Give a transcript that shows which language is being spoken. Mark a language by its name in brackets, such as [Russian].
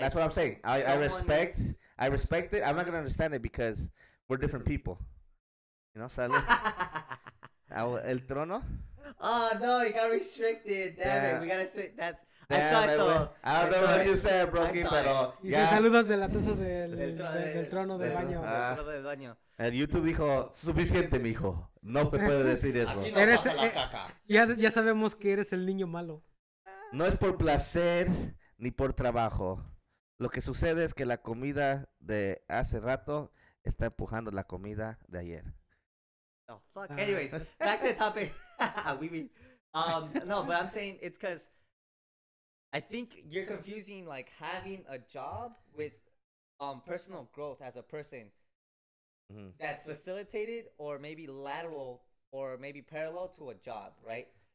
[English] That's what I'm saying. I respect it. I'm not going to understand it because we're different people. You know, Sally? [Spanish] El trono? [English] Oh no, you got restricted. Damn, damn it. We gotta sit. That's. Damn, I saw it though. I don't know what you said, Broski, [Spanish] pero. [English] Yeah. [Spanish] Saludos de la taza del trono del baño. And YouTube dijo, suficiente, mijo. No se puede decir eso. Aquí no eres, pasa la caca. Ya sabemos que eres el niño malo. No es por placer ni por trabajo. Lo que sucede es que la comida de hace rato está empujando la comida de ayer. [English] No, oh, fuck. Anyways, back to the topic. We mean, no, but I'm saying it's because I think you're confusing like having a job with personal growth as a person. Mm-hmm. That's facilitated or maybe lateral or maybe parallel to a job, right?